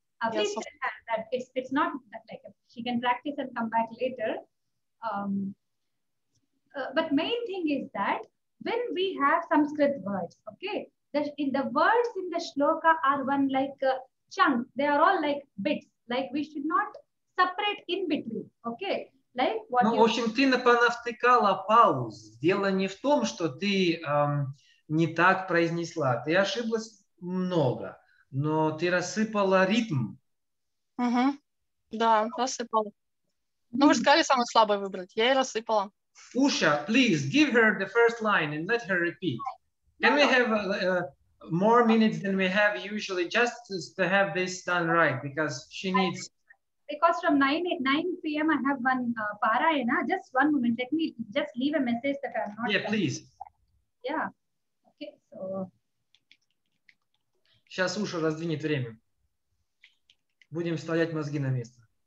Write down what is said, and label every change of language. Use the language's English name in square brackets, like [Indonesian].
[English] Please understand that it's not that, like, she can practice and come back later. But main thing is that when we have Sanskrit words, okay, that in the words in the shloka are one like a chunk, they are all like bits, like we should not separate in between, okay. Like [Russian] ну, в общем, ты понавтыкала пауз. Дело не в том, что ты не так произнесла. Ты ошиблась много, но ты рассыпала ритм. Угу. Да, рассыпала. Ну, вы же сказали самый слабый выбрать. Я и рассыпала. Уша, [English] please, give her the first line and let her repeat. Can we have more minutes than we have usually just to have this done right, because she needs... Because from 9 p.m. I have one parayana. Just one moment. Let me just leave a message that I am not. Yeah, please. Yeah. Okay. So. [Russian] Сейчас Уша раздвинет время. Будем вставлять мозги на место.